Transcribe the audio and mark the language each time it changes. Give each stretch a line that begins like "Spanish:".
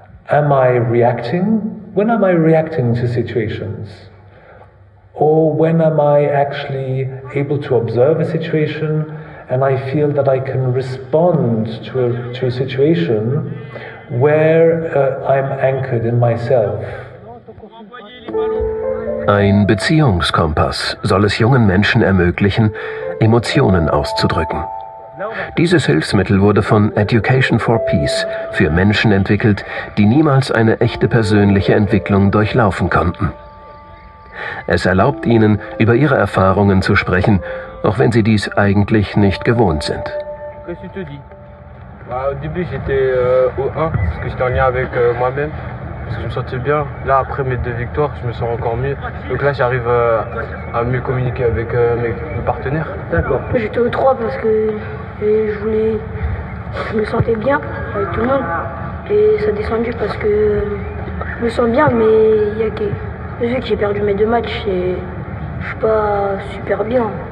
English: Am I reacting? When am I reacting to situations? Or when am I actually able to observe a situation and I feel that I can respond to a situation where I'm anchored in myself.
German: Ein Beziehungskompass soll es jungen Menschen ermöglichen, Emotionen auszudrücken. Dieses Hilfsmittel wurde von Education for Peace für Menschen entwickelt, die niemals eine echte persönliche Entwicklung durchlaufen konnten. Es erlaubt ihnen, über ihre Erfahrungen zu sprechen, auch wenn sie dies eigentlich nicht gewohnt sind.
French: Au début j'étais au 1 parce que j'étais en lien avec moi-même parce que je me sentais bien. Là après mes deux victoires, je me sens encore mieux. Donc là j'arrive à mieux communiquer avec mes partenaires. D'accord. J'étais au 3 parce que je me sentais bien avec tout le monde et ça a descendu parce que je me sens bien mais il y a que vu que j'ai perdu mes deux matchs et je suis pas super bien.